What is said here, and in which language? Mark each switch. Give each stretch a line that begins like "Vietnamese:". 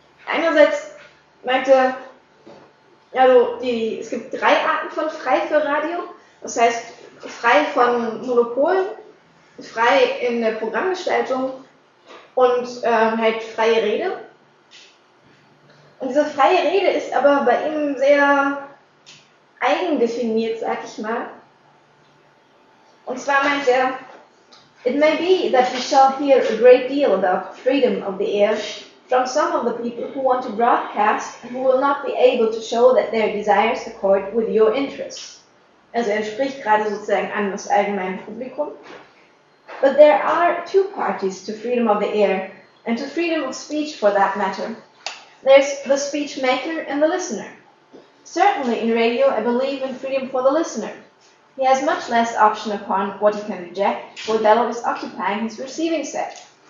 German: Einerseits meinte, es gibt drei Arten von frei für Radio, das heißt frei von Monopolen, frei in der Programmgestaltung und halt freie Rede. Und diese freie Rede ist aber bei ihm sehr eigendefiniert, sag ich mal. Und zwar meint er,
English: it may be that we shall hear a great deal about freedom of the air from some of the people who want to broadcast and who will not be able to show that their desires accord with your interests.
German: Also er spricht gerade sozusagen an das allgemeine Publikum.
English: But there are two parties to freedom of the air and to freedom of speech for that matter. There's the speech maker and the listener. Certainly in radio, I believe in freedom for the listener. He has much less option upon what he can reject, for Bello is occupying his receiving set.